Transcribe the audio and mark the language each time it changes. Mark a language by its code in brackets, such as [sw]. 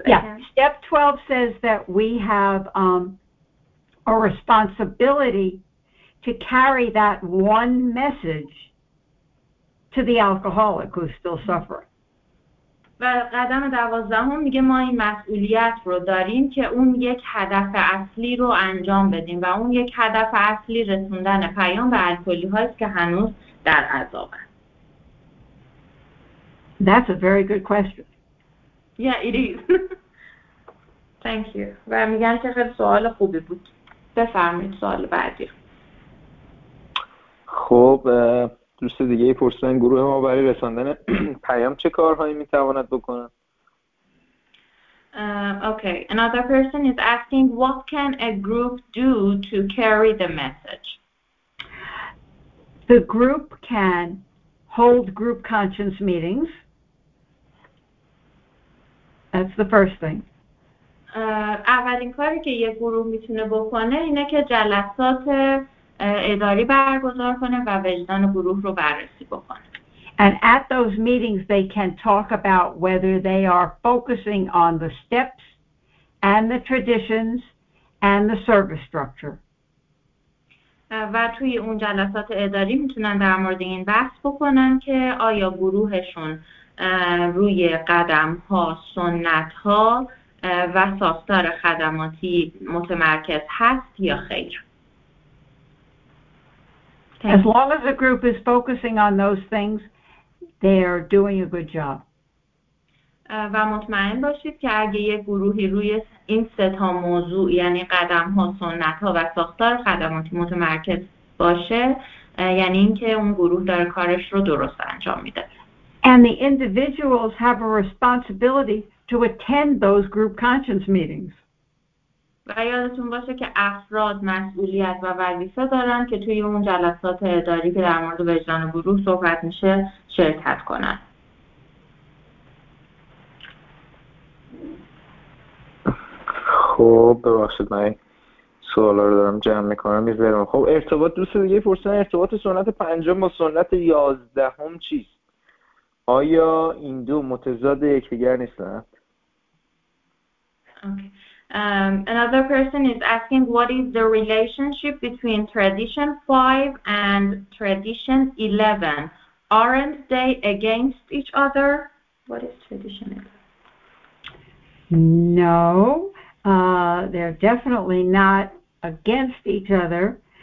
[en] Yeah, step 12 says that we have a responsibility to carry that one message to the alcoholic who's still suffering. [fa] و قدم دوازدهم میگه ما این مسئولیت رو داریم که اون یک هدف اصلی رو انجام بدیم و اون یک هدف اصلی رسوندن پیام به الکلی‌هایی که هنوز در عذابن. [en] That's a very good question. Yeah, it is. Thank you. [fa] و میگن که خیلی سوال خوبی بود. بفرمایید سوال بعدی. خب دوست دیگه پرسیدن گروه ما برای رساندن پیام چه کارهایی میتواند بکنن؟ [en] Okay, another person is asking what can a group do to carry the message? The group can hold group conscience meetings. That's the first thing. [fa] اولین کاری که یک گروه میتونه بکنه اینه که جلسات اداری برگزار کنه و وجدان گروه رو بررسی بکنه. [en] And at those meetings they can talk about whether they are focusing on the steps and the traditions and the service structure. [fa] و توی اون جلسات اداری میتونن در مورد این بحث بکنن که آیا گروهشون روی قدم ها، سنت ها و ساختار خدماتی متمرکز هست یا خیر. [en] As long as the group is focusing on those things, they are doing a good job. [fa] و مطمئن باشید که اگه یه گروهی روی این سه تا موضوع، یعنی قدم ها، سنت ها و ساختار خدماتی متمرکز باشه، یعنی اینکه اون گروه داره کارش رو درست انجام میده. [en] And the individuals have a responsibility to attend those group conscience meetings. [fa] و یادتون باشه که افراد مسئولیت و وظیفه دارن که توی اون جلسات اداری که در مورد وجدان گروه صحبت میشه شرکت کنن. خب ببخشید من سوالا رو دارم جمع میکنم میذارم. خب ارتباط، دوست دیگه پرسیدن ارتباط سنت پنجم با سنت یازدهم چیست؟ آیا این دو متضاد یکدیگر نیستند؟ [en] Another person is asking what is the relationship between tradition 5 and tradition 11? Aren't they against each other? What is tradition 11? No. They're definitely not against each other.